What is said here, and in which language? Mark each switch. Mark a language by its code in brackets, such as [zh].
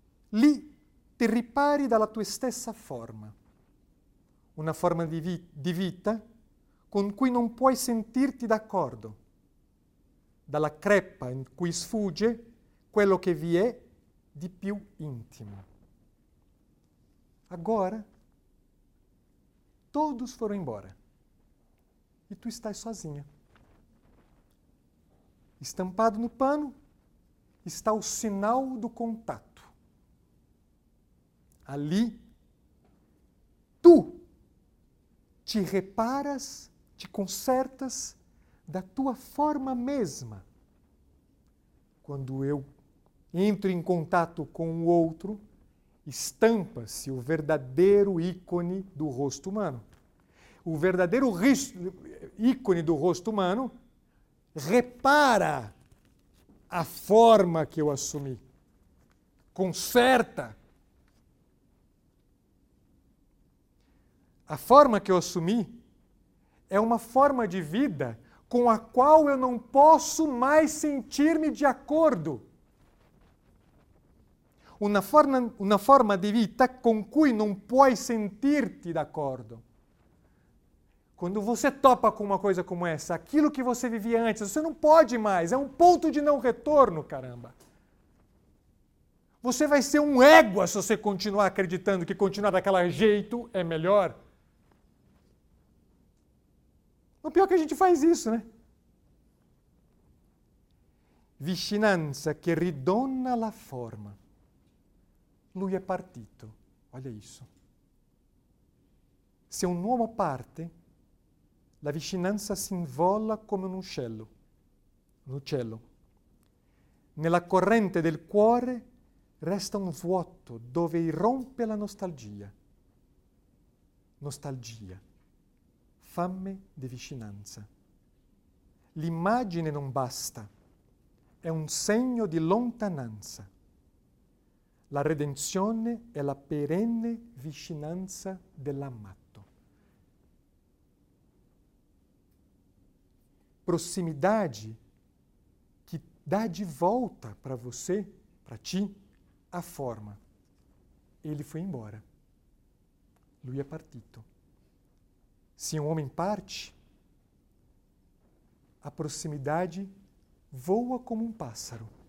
[it] Lì ti ripari dalla tua stessa forma. Una forma di vita con cui non puoi sentirti d'accordo. Dalla crepa in cui sfugge quello che vi è di più intimo. [pt] Agora, todos foram embora e tu estás sozinha. Estampado no pano está o sinal do contato. Ali, tu te reparas, te consertas da tua forma mesma. Quando eu entro em contato com o outro, estampa-se o verdadeiro ícone do rosto humano. O verdadeiro ícone do rosto humano repara a forma que eu assumi, conserta. A forma que eu assumi é uma forma de vida com a qual eu não posso mais sentir-me de acordo. [it] Una forma di vita con cui non puoi sentirti d'accordo. [pt] Quando você topa com uma coisa como essa, aquilo que você vivia antes, você não pode mais, é um ponto de não retorno, caramba. Você vai ser um égua se você continuar acreditando que continuar daquele jeito é melhor. O pior é que a gente faz isso, né? [it] Vicinanza che ridonna la forma. Lui è partito. [pt] Olha isso. [it] Se un uomo parte, la vicinanza si involla come un uccello. Un uccello. Nella corrente del cuore resta un vuoto dove irrompe la nostalgia. Nostalgia. Fame di vicinanza. L'immagine non basta. È un segno di lontananza. La redenzione è la perenne vicinanza dell'amato. [pt] Prossimidade que dá de volta para você, para ti, a forma. Ele foi embora. [it] Lui è partito. [pt] Se um homem parte, a proximidade voa como um pássaro.